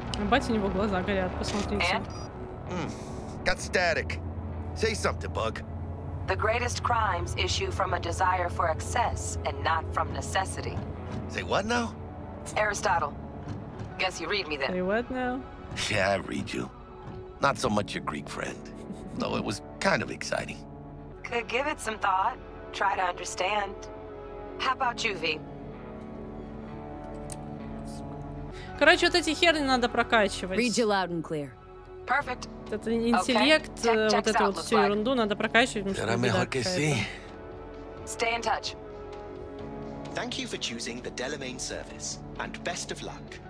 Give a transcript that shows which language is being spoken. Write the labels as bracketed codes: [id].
[ru] Бать, у него глаза горят, посмотрите. [en] And? Got static. Say something, bug. The greatest crimes issue from a desire for excess and not from necessity. Say what now? Aristotle. Guess you read me then. Say what now? Yeah, I read you. Not so much your Greek friend. Though it was kind of exciting. Could give it some thought. Try to understand. How about you, V? [ru] Короче, вот эти херни надо прокачивать. [en] Read you loud and clear. Perfect. [ru] Это интеллект, okay. Вот эту вот всю ерунду надо прокачивать. [en] Then I'm gonna see. Stay in touch. Thank you for choosing the Delamain service, and best of luck.